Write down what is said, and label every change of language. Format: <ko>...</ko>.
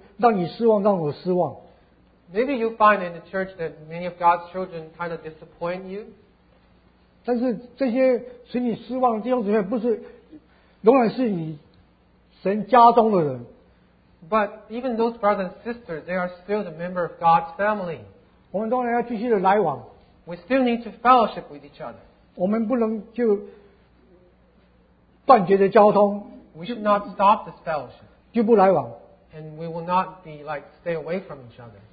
<zh>在弟兄姊妹当中，每一个教会的里头，你会觉得很多基督徒神的儿女让你失望，让我失望。Maybe</zh> <en>you find in the church that many of God's children kind of disappoint you.</en> <zh>但是这些使你失望的弟兄姊妹不是。仍然是你神家中的人。But</zh> <en>even those brothers and sisters, they are still the member of God's family.</en> <zh>我们当然要继续的来往。We</zh> <en>still need to fellowship with each other.</en> <zh>我们不能就断绝的交通。We</zh> <en>should not stop this fellowship.</en> <zh>就不来往。And</zh> <en>we will not be like stay away from each other.</en>